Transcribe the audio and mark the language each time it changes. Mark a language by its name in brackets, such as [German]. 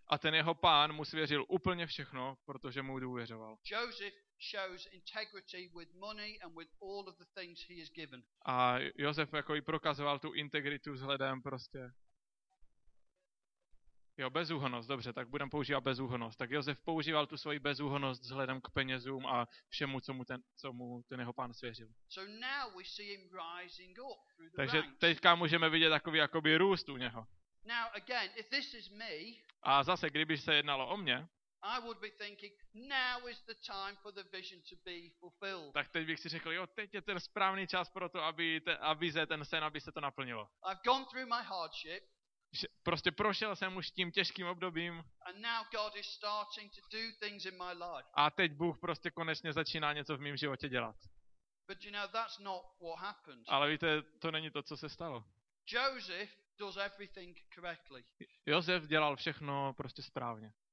[Czech] A ten jeho pán mu svěřil úplně všechno, protože mu důvěřoval. [English] Joseph shows integrity with money and with all of the things he is given. [Czech] A Josef jako i prokazoval tu integritu vzhledem prostě. Jo, bezúhonnost, dobře, tak budem používat bezúhonnost. Tak Josef používal tu svoji bezúhonnost vzhledem k penězům a všemu, co mu ten jeho pán svěřil. [English] So now we see him rising up through the ranks. [Czech] Takže teďka můžeme vidět takový jakoby růst u něho. [English] Now again, if this is me, [Czech] a zase, kdyby se jednalo o mě, [English] I would be thinking, now is the time for the vision to be fulfilled. [Czech] Tak teď bych si řekl, jo, teď je ten správný čas pro to, aby ta vize, ten sen, aby se to naplnilo. [English] I've gone through my hardship. [Czech] Prostě prošel jsem už tím těžkým obdobím. [English] And now God is starting to do things in my life. [Czech] A teď Bůh prostě konečně začíná něco v mém životě dělat. [English] But you know, that's not what happened. [Czech] Ale víte, to není to, co se stalo. [English] Joseph does everything correctly. [Czech] Josef dělal všechno prostě správně.